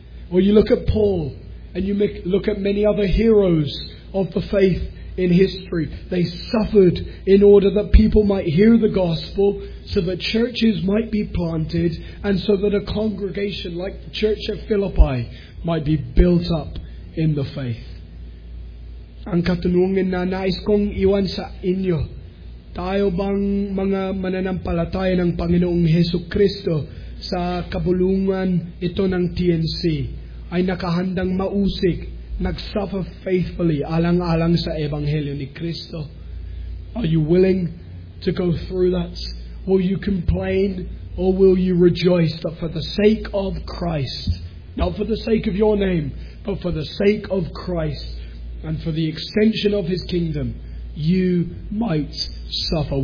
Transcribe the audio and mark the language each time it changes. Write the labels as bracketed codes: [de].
[en] Or you look at Paul, and you look at many other heroes of the faith in history. They suffered in order that people might hear the gospel, so that churches might be planted, and so that a congregation like the church at Philippi might be built up in the faith. [tl] Ang katanungin na nais kong iwan sa inyo, tayo bang mga mananampalataya ng Panginoong Heso Kristo sa kabulungan ito ng TNC ay nakahandang mausig, nag-suffer faithfully, alang-alang sa Ebanghelyo ni Kristo? [en] Are you willing to go through that? Will you complain or will you rejoice that for the sake of Christ, not for the sake of your name, but for the sake of Christ and for the extension of his kingdom, you might suffer?